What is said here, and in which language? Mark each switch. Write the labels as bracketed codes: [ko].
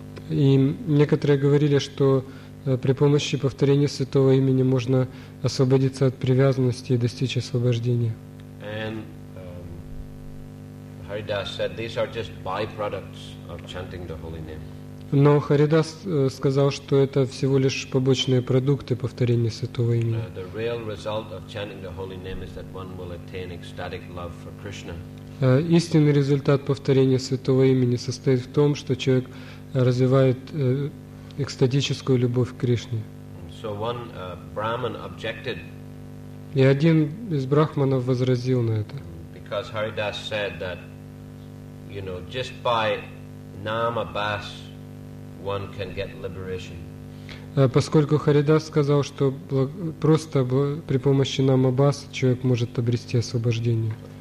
[ru] И некоторые говорили, что при помощи повторения святого имени можно освободиться от привязанности и достичь освобождения. [en] And Haridas said these are just byproducts of chanting the holy name. [ru] Но Харидас сказал, что это всего лишь побочные продукты повторения святого имени. [en] The real result of chanting the holy name is that one will attain ecstatic love for Krishna. [ru] Истинный результат повторения святого имени состоит в том, что человек развивает экстатическую любовь к Кришне. [en] So one Brahman objected. [ru] И один из брахманов возразил на это. [en] Because Haridas said that, you know, just by nama bas one can get liberation. [ru] Поскольку Харидас сказал, что просто при помощи нама бас человек может обрести освобождение.